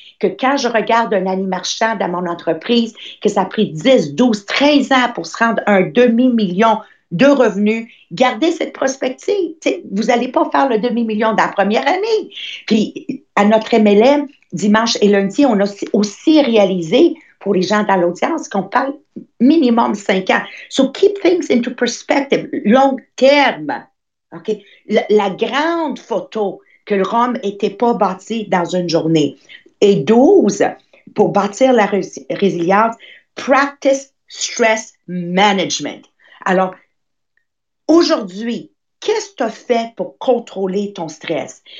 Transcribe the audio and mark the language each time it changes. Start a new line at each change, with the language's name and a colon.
French: Que quand je regarde un ami marchand dans mon entreprise, que ça a pris 10, 12, 13 ans pour se rendre un demi-million de revenus, gardez cette perspective. T'sais, vous n'allez pas faire le demi-million dans la première année. Puis, à notre MLM, dimanche et lundi, on a aussi réalisé pour les gens dans l'audience qu'on parle minimum 5 ans.
English: So keep things into perspective, long terme. OK?
French: La grande photo que le Rome n'était pas bâti dans une journée. Et 12, pour bâtir la résilience,
English: practice stress management.
French: Alors, aujourd'hui, qu'est-ce que tu as fait pour contrôler ton stress?